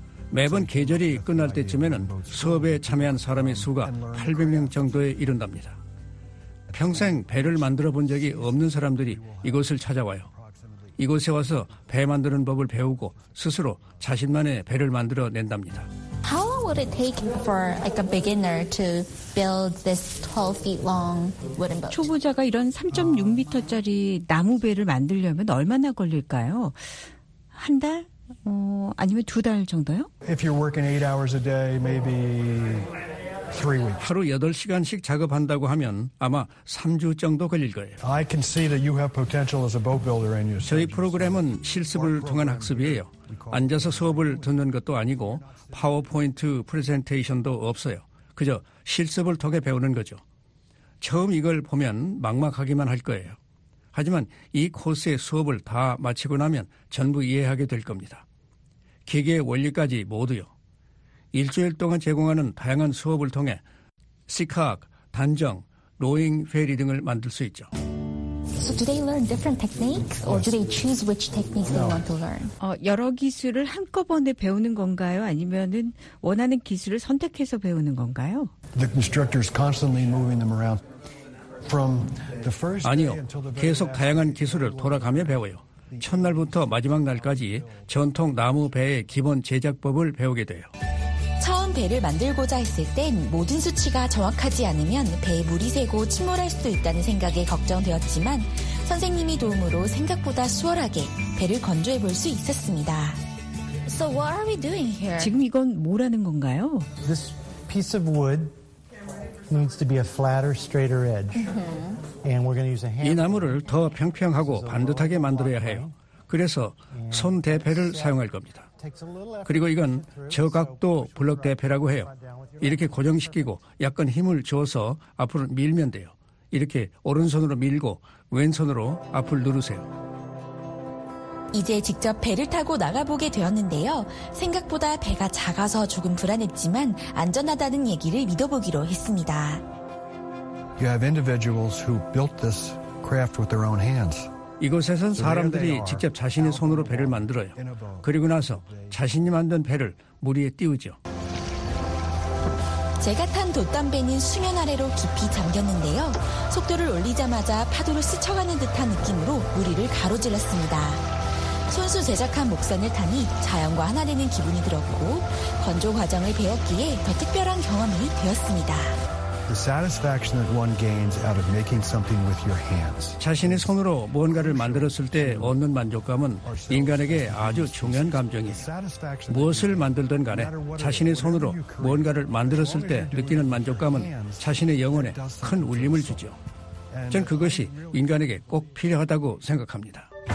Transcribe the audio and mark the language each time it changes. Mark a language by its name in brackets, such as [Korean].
[Korean] 매번 계절이 끝날 때쯤에는 수업에 참여한 사람의 수가 800명 정도에 이른답니다. 평생 배를 만들어 본 적이 없는 사람들이 이곳을 찾아와요. 이곳에 와서 배 만드는 법을 배우고 스스로 자신만의 배를 만들어 낸답니다. [English] How long would it take for like a beginner to build this 12 feet long wooden boat? [Korean] 초보자가 이런 3.6m짜리 나무 배를 만들려면 얼마나 걸릴까요? 한 달? 아니면 두 달 정도요? [English] If you're working 8 hours a day, maybe 3 weeks. [Korean] 하루 8시간씩 작업한다고 하면 아마 3주 정도 걸릴 거예요. [English] I can see that you have potential as a boat builder in your [Korean] 저희 프로그램은 실습을 통한 학습이에요. 앉아서 수업을 듣는 것도 아니고 파워포인트 프레젠테이션도 없어요. 그저 실습을 통해 배우는 거죠. 처음 이걸 보면 막막하기만 할 거예요. 하지만 이 코스의 수업을 다 마치고 나면 전부 이해하게 될 겁니다. 기계 원리까지 모두요. 일주일 동안 제공하는 다양한 수업을 통해 시카악, 단정, 로잉 페리 등을 만들 수 있죠. [English] So do they learn different techniques or do they choose which techniques they want to learn? [Korean] 여러 기술을 한꺼번에 배우는 건가요? 아니면은 원하는 기술을 선택해서 배우는 건가요? [English] The instructor is constantly moving them around from the first day until the very last. [Korean] 계속 다양한 기술을 돌아가며 배워요. 첫날부터 마지막 날까지 전통 나무 배의 기본 제작법을 배우게 돼요. 처음 배를 만들고자 했을 땐 모든 수치가 정확하지 않으면 배에 물이 새고 침몰할 수도 있다는 생각에 걱정되었지만 선생님이 도움으로 생각보다 수월하게 배를 건조해 볼 수 있었습니다. [English] So what are we doing here? [Korean] 지금 이건 뭐라는 건가요? [English] This piece of wood needs to be a flatter, straighter edge. And we're going to use a hammer. [Korean] 이 나무를 더 평평하고 반듯하게 만들어야 해요. 그래서 손 대패를 사용할 겁니다. 그리고 이건 저각도 블럭 대패라고 해요. 이렇게 고정시키고 약간 힘을 줘서 앞으로 밀면 돼요. 이렇게 오른손으로 밀고 왼손으로 앞을 누르세요. 이제 직접 배를 타고 나가보게 되었는데요. 생각보다 배가 작아서 조금 불안했지만 안전하다는 얘기를 믿어보기로 했습니다. [English] You have individuals who built this craft with their own hands. [Korean] 이곳에선 사람들이 직접 자신의 손으로 배를 만들어요. 그리고 나서 자신이 만든 배를 물 위에 띄우죠. 제가 탄 돛단배는 수면 아래로 깊이 잠겼는데요. 속도를 올리자마자 파도를 스쳐가는 듯한 느낌으로 무리를 가로질렀습니다. 손수 제작한 목선을 타니 자연과 하나 되는 기분이 들었고 건조 과정을 배웠기에 더 특별한 경험이 되었습니다. [English] The satisfaction that one gains out of making something with your hands. [Korean] 자신의 손으로 무언가를 만들었을 때 얻는 만족감은 인간에게 아주 중요한 감정이에요. 무엇을 만들든 간에 자신의 손으로 무언가를 만들었을 때 느끼는 만족감은 자신의 영혼에 큰 울림을 주죠. 전 그것이 인간에게 꼭 필요하다고 생각합니다.